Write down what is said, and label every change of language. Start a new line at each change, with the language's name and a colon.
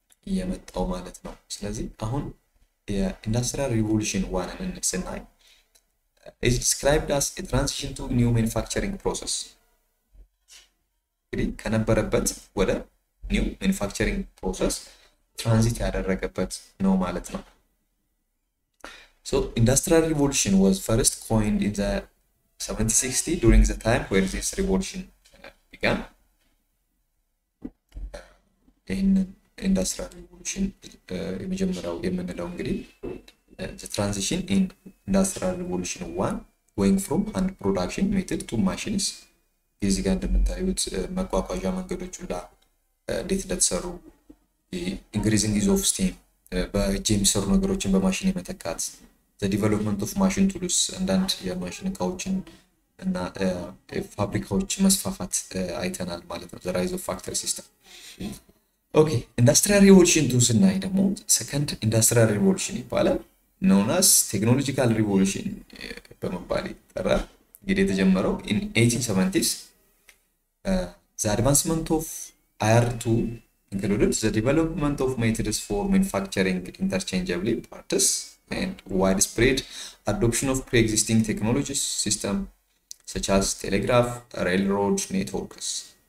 Amharic: እየመጣው ማለት ነው። ስለዚህ አሁን የኢንዱስትሪያል ሪቮሉሽን ዋንን ስናይ
English: ኢትስ ዲስክራይብድ አስ ትራንዚሽን ቱ ኒው ማኒፋክቸሪንግ ፕሮሰስ፣
Amharic: እንግዲህ ከነበረበት ወደ ኒው ማኒፋክቸሪንግ ፕሮሰስ ትራንዚት ያደረገበት ነው ማለት ነው።
English: So, industrial revolution was first coined in the 1760 during the time where this revolution began. In industrial revolution,
Amharic: የመጀመሪያው የምንለው እንግዲህ
English: the transition in industrial revolution one going from hand production method to machines.
Amharic: እዚህ ጋር እንደምታዩት መጓጓዣ መንገዶች ሁላ እንዴት እንደተሰሩ
English: increasing use of steam
Amharic: በእጅ የሚሰሩ ነገሮችን በማሽን የመተካት ዲቨሎፕመንት ኦፍ ማሽን ቱሉስ አንዳንድ የማሽን እቃዎችን እና ፋብሪካዎች መስፋፋት አይተናል ማለት ነው። ራይዝ ኦፍ ፋክተሪ ሲስተም። ኦኬ ኢንዱስትሪያል ሪቮሉሽን ቱ ስናይ ደግሞ ሰከንድ ኢንዱስትሪያል ሪቮሉሽን ይባላል። ኖውናስ ቴክኖሎጂካል ሪቮሉሽን በመባል ይጠራል። እንግዲህ የተጀመረው ኢን 1870ስ
English: ዘ አድቫንስመንት ኦፍ አይአር ቱ ኢንክሉድድ ዘ ዲቨሎፕመንት ኦፍ ሜትድስ ፎር ማኒፋክቸሪንግ ኢንተርቼንጀብሊ ፓርትስ and widespread adoption of pre-existing technology system such as telegraph, railroad networks.